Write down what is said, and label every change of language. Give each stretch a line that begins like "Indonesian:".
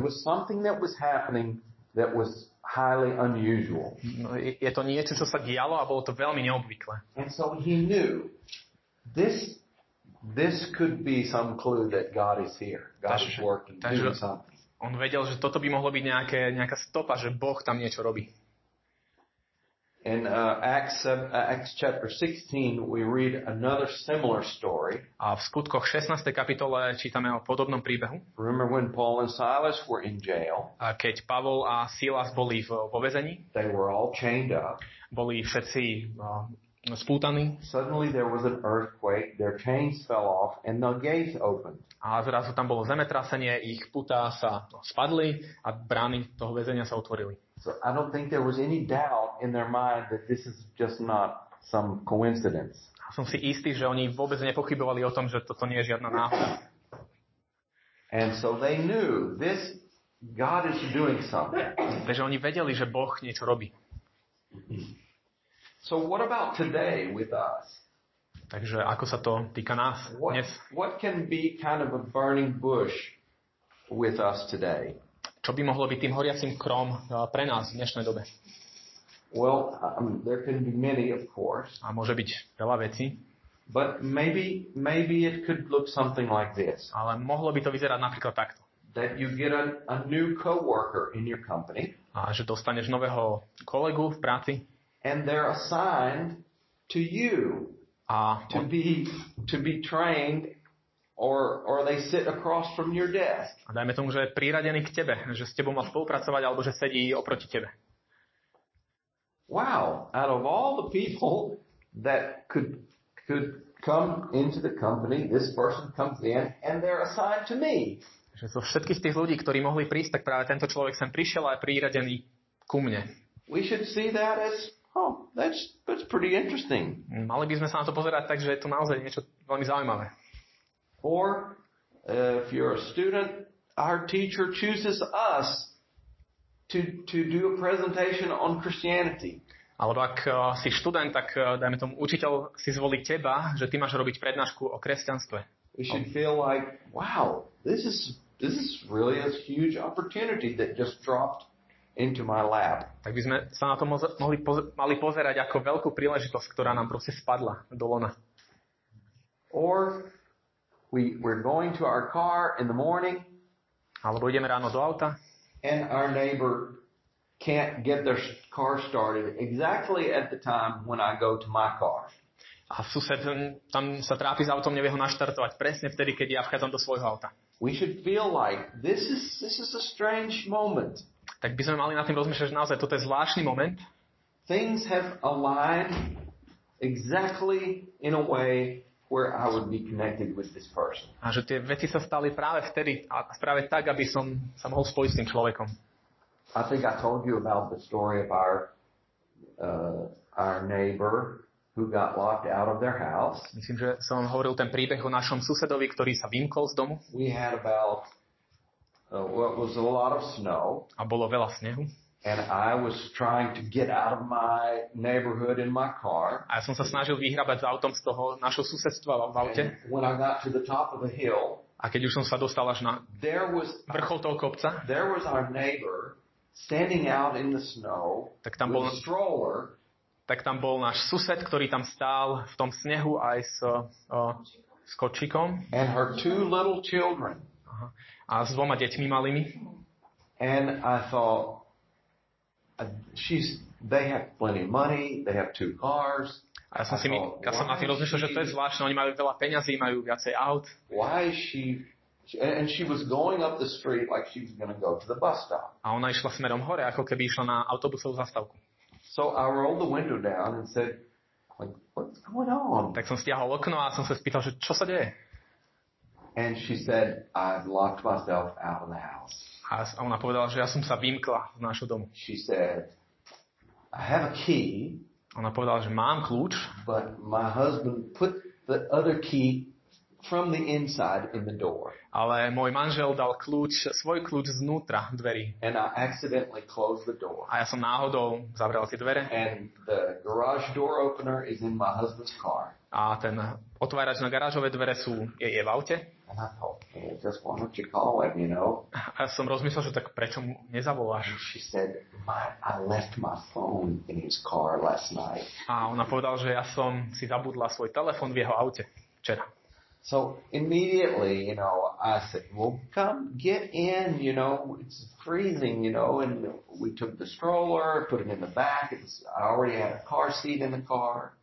English: It was something that was happening that was highly unusual.
Slovak: No, je to niečo, čo sa dialo a bolo to veľmi neobvyklé.
English: And so he knew this could be some clue that God is here. God is working.
Slovak: Takže on vedel, že toto by mohlo byť nejaká stopa, že Boh tam niečo robí.
English: In Acts chapter 16 we read another similar story.
Slovak: A v skutkoch 16. kapitole čítame o podobnom príbehu.
English: Remember when Paul and Silas were in jail?
Slovak: A keď Pavol a Silas boli vo väzení?
English: They were all chained up.
Slovak: Boli všetci spútaní.
English: Suddenly there was an earthquake, their chains fell off and the gates opened.
Slovak: A zrazu tam bolo zemetrasenie, ich putá sa spadli a brány toho väzenia sa otvorili.
English: So I don't think there was any doubt in their mind that this is just not some coincidence.
Slovak: Som si istý, že oni vôbec nepochybovali o tom, že toto nie je žiadna náhoda.
English: And so they knew this God is doing something.
Slovak: Takže oni vedeli, že Boh niečo robí.
English: So what about today with us?
Slovak: Takže ako sa to týka nás dnes?
English: What can be kind of a burning bush with us today?
Slovak: Čo by mohlo byť tým horiacím krom pre nás v dnešnej dobe?
English: Well, there can be many, of course.
Slovak: A môže byť veľa vecí.
English: But maybe it could look something like this.
Slovak: Ale mohlo by to vyzerať napríklad takto.
English: That you get a new coworker in your company.
Slovak: A že dostaneš nového kolegu v práci.
English: And they're assigned to you to be trained or they sit across from your desk.
Slovak: A dajme tomu, že je priradený k tebe, že s tebou má spolupracovať alebo že sedí oproti tebe.
English: Wow, out of all the people that could come into the company, this person comes in and they're assigned to me.
Slovak: Že zo všetkých tých ľudí, ktorí mohli prísť, tak práve tento človek sem prišiel a je priradený ku mne.
English: We should see that as that's pretty interesting.
Slovak: Mali by sme sa na to pozerať tak, že je to naozaj niečo veľmi zaujímavé.
English: Or if you're a student, our teacher chooses us to do a presentation on Christianity.
Slovak: Alebo ak si študent, tak dajme tomu učiteľ si zvolí teba, že ty máš robiť prednášku o kresťanstve.
English: We should feel like, wow, this is really a huge opportunity that just dropped into my lap.
Slovak: Tak by sme sa na to mali pozerať ako veľkú príležitosť, ktorá nám proste spadla do lona.
English: Or we're going to our car in the morning.
Slovak: Alebo ideme ráno do auta.
English: And our neighbor can't get their car started exactly at the time when I go to my car.
Slovak: A sused tam sa trápi s autom, nevie ho naštartovať presne vtedy, keď ja vchádzam do svojho auta.
English: We should feel like this is a strange moment.
Slovak: Tak by sme mali na tým rozmýšľať, že naozaj toto je zvláštny moment.
English: Things have aligned exactly in a way where I would be connected with this person.
Slovak: A že tie veci sa stali práve vtedy a práve tak, aby som sa mohol spojiť s tým človekom.
English: I think I told you about the story of our neighbor who got locked out of their house.
Slovak: Myslím, že som vám hovoril ten príbeh o našom susedovi, ktorý sa vymkol z domu.
English: We had about what was a lot of snow.
Slovak: A bolo veľa snehu.
English: And I was trying to get out of my neighborhood in my car.
Slovak: A ja som sa snažil vyhrabať z autom z toho našho susedstva v aute.
English: And when I got to the top of the hill,
Slovak: a keď už som sa dostal až na vrchol toho kopca,
English: there was our neighbor standing out in the snow.
Slovak: Tak tam bol
English: with a stroller.
Slovak: Tak tam bol náš sused, ktorý tam stál v tom snehu aj s kočikom.
English: And her two little children.
Slovak: A s dvoma deťmi malými.
English: And I thought, they have plenty of money, they have two cars.
Slovak: A ja som si na tým rozmýšľal, že to je zvláštne, oni majú veľa peňazí, majú viacej aut.
English: Why is she... And she was going up the street like she was going to go to the bus stop.
Slovak: A ona išla smerom hore, ako keby išla na autobusovú zastávku.
English: So I rolled the window down and said, like, what's going on?
Slovak: Tak som stiahol okno a som sa spýtal, že čo sa deje?
English: And she said, I've locked myself out of the house.
Slovak: A ona povedala, že ja som sa vymkla z nášho domu.
English: She said, I have a key.
Slovak: Ona povedala, že mám kľúč.
English: But my husband put the other key from the inside in the door.
Slovak: Ale môj manžel dal kľúč, svoj kľúč znútra dverí.
English: And I accidentally closed the door.
Slovak: A ja som náhodou zavrel tie dvere.
English: And the garage door opener is in my husband's car.
Slovak: A ten otvárač na garážové dvere sú je v aute.
English: And I thought, hey, just why don't you call him, you know?
Slovak: A ja som rozmyslel, že tak prečo mu nezavoláš?
English: And she said, I left my phone in his car last night.
Slovak: A ona povedala, že ja som si zabudla svoj telefón v jeho aute včera.
English: So immediately, you know, I said, well, come get in, you know, it's freezing, you know, and we took the stroller, put it in the back, I already had a car seat in the car.